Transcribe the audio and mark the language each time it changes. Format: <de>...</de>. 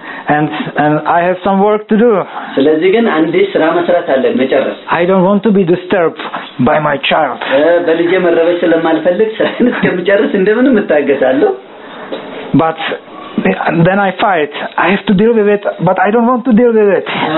<en>And I have some work to do.</en> <am>ስለዚህ ግን አንዴ ስራ መስራት አለ መጨረስ.</am> <en>I don't want to be disturbed by my child.</en> <am>በልጄ መረበሽ ለማልፈልግ ስራን እስከምጨርስ እንደምን መታገሳለሁ.</am> <en>But then I fight. I have to deal with it, but I don't want to deal with it.</en>